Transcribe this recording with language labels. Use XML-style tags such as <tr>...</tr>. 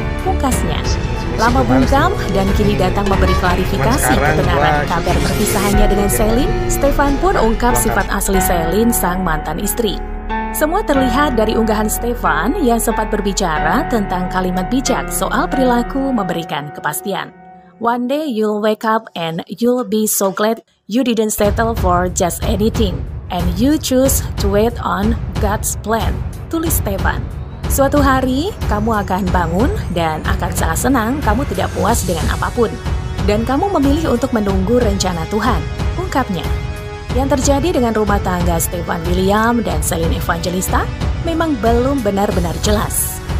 <id>Pungkasnya, lama bungkam dan kini datang memberi klarifikasi kebenaran kabar perpisahannya dengan Celine, Stefan pun ungkap sifat asli Celine, sang mantan istri. Semua terlihat dari unggahan Stefan yang sempat berbicara tentang kalimat bijak soal perilaku memberikan kepastian.</id> <en>One day you'll wake up and you'll be so glad you didn't settle for just anything and you choose to wait on God's plan,</en> <id>tulis Stefan. Suatu hari, kamu akan bangun dan akan sangat senang kamu tidak puas dengan apapun. Dan kamu memilih untuk menunggu rencana Tuhan, ungkapnya. Yang terjadi dengan rumah tangga Stefan William dan Celine Evangelista memang belum benar-benar jelas.</id>